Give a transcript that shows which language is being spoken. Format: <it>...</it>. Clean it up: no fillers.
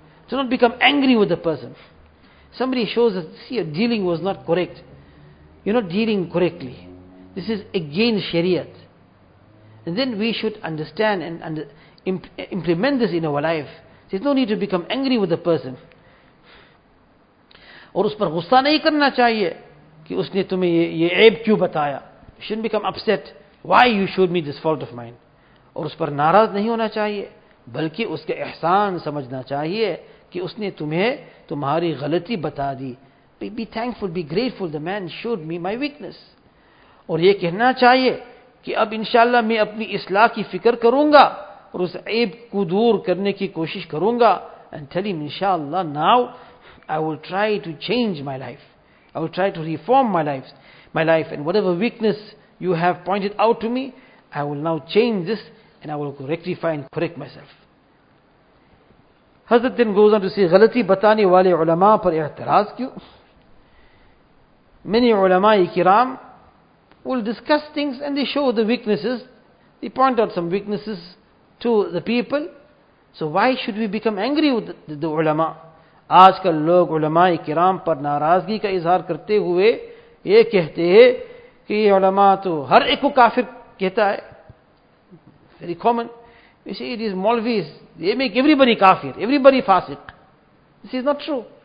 <en>Do not become angry with the person. Somebody shows us, see, your dealing was not correct. You're not dealing correctly. This is against Shariat. And then we should understand and implement this in our life. There's no need to become angry with the person.</en> <ur>اور اس پر غصہ نہیں کرنا چاہیے کہ اس نے تمہیں یہ عیب کیوں بتایا.</ur> <en>You shouldn't become upset. Why you showed me this fault of mine?</en> <ur>اور اس پر ناراض نہیں ہونا چاہیے, بلکہ اس کے احسان سمجھنا چاہیے کہ اس نے تمہیں تمہاری غلطی بتا دی.</ur> <en>Be thankful, be grateful, the man showed me my weakness.</en> <ur>اور یہ کہنا چاہیے کہ اب انشاءاللہ میں اپنی اصلاح کی فکر کروں گا اور اس عیب کو دور کرنے کی کوشش کروں گا.</ur> <en>And tell him, انشاءاللہ, now I will try to change my life. I will try to reform my life, and whatever weakness you have pointed out to me, I will now change this and I will rectify and correct myself. Hazrat then goes on to say,</en> <ur>غلطی بتانے والے علماء پر اعتراض کیوں.</ur> <en>Many ulama ikiram will discuss things and they show the weaknesses. They point out some weaknesses to the people. So why should we become angry with the ulama?</en> <ur>آج کل لوگ علماء کرام پر ناراضگی کا اظہار کرتے ہوئے یہ کہتے ہیں کہ یہ علماء تو ہر ایک کو کافر کہتا ہے.</ur> <en>Very common. You see, these Maulvis, they make everybody kafir, everybody fasiq. This is not true.</en>